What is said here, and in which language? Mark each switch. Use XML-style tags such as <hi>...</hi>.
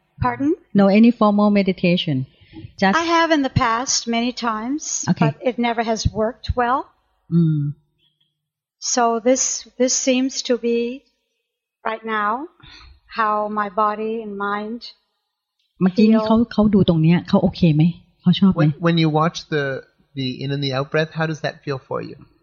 <en>Pardon? No any formal meditation. Just I have in the past many times, okay. But it never has worked well. Mm. So this seems to be right now how my body and mind.</en> <th>เมื่อกี้นี้เขาดูตรงเนี้ยเขาโอเคไหมเขาชอบไหม</th> <en>When you watch the in and the out breath, how does that feel for you?</en>